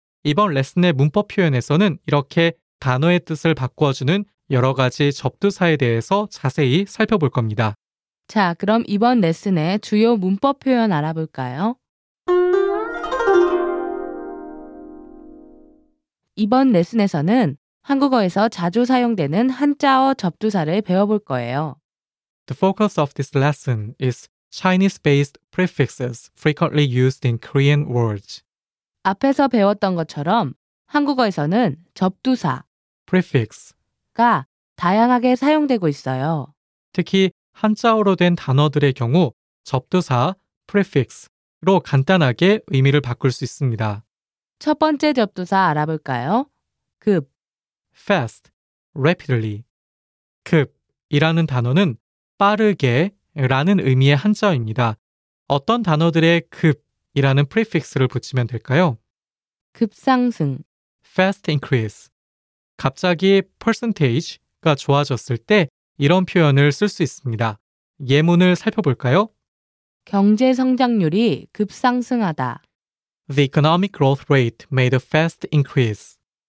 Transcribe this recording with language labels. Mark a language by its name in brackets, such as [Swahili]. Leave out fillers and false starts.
[Korean] 이번 레슨의 문법 표현에서는 이렇게 단어의 뜻을 바꿔주는 여러 가지 접두사에 대해서 자세히 살펴볼 겁니다. 자, 그럼 이번 레슨의 주요 문법 표현 알아볼까요? 이번 레슨에서는 한국어에서 자주 사용되는 한자어 접두사를 배워볼 거예요. [English] The focus of this lesson is Chinese-based prefixes frequently used in Korean words. [Korean] 앞에서 배웠던 것처럼 한국어에서는 접두사 prefix가 다양하게 사용되고 있어요. 특히 한자어로 된 단어들의 경우 접두사 prefix로 간단하게 의미를 바꿀 수 있습니다. 첫 번째 접두사 알아볼까요? 급 [English] fast, rapidly [Korean] 급이라는 단어는 빠르게 라는 의미의 한자어입니다. 어떤 단어들에 급이라는 prefix를 붙이면 될까요? 급상승 [English] fast increase [Korean] 갑자기 percentage가 좋아졌을 때 이런 표현을 쓸 수 있습니다. 예문을 살펴볼까요? 경제 성장률이 급상승하다. [English] The economic growth rate made a fast increase.